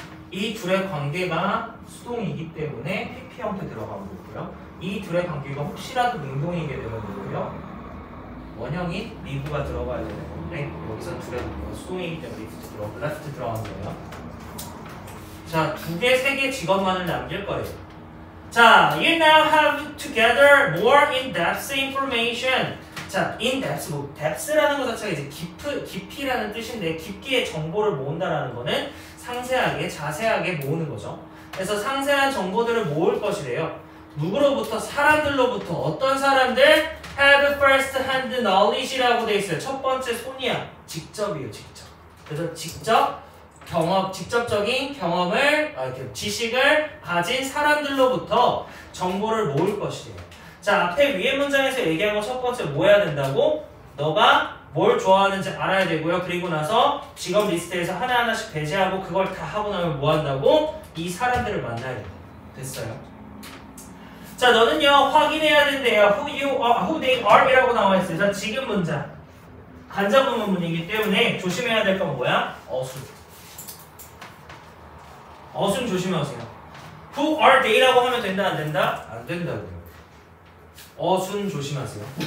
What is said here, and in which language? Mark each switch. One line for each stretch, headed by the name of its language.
Korean: 이 둘의 관계가 수동이기 때문에 PP 형태 들어가고 있고요. 이 둘의 관계가 혹시라도 능동이게 되면 되고요. 원형이 리브가 들어가야 되는 건데 여기서 둘의 관계가 수동이기 때문에 리프트 들어가고 레프트 들어가는 거예요. 자, 두 개, 세 개 직업만을 남길 거예요.
English: 자, you now have together more in-depth information.
Korean: 자, in-depth, 뭐, depth라는 것 자체가 이제 깊이라는 뜻인데 깊게 정보를 모은다라는 거는 상세하게, 자세하게 모으는 거죠. 그래서 상세한 정보들을 모을 것이래요. 누구로부터? 사람들로부터. 어떤 사람들?
English: Have first hand knowledge
Korean: 라고 돼 있어요. 첫 번째 손이야. 직접이에요, 직접. 그래서 직접 경험, 직접적인 경험을, 지식을 가진 사람들로부터 정보를 모을 것이에요. 자, 앞에 위에 문장에서 얘기한 거 첫 번째 뭐 해야 된다고? 너가 뭘 좋아하는지 알아야 되고요. 그리고 나서 직업 리스트에서 하나하나씩 배제하고 그걸 다 하고 나면 뭐 한다고? 이 사람들을 만나야 돼요. 됐어요? 자, 너는요 확인해야 된대요.
English: Who you are, who they are
Korean: 이라고 나와있어요. 자, 지금 문장 간접문 문이기 때문에 조심해야 될 건 뭐야? 어순. 어순 조심하세요.
English: Who are they
Korean: 라고 하면 된다 안 된다? 안 된다고요. 어순 조심하세요.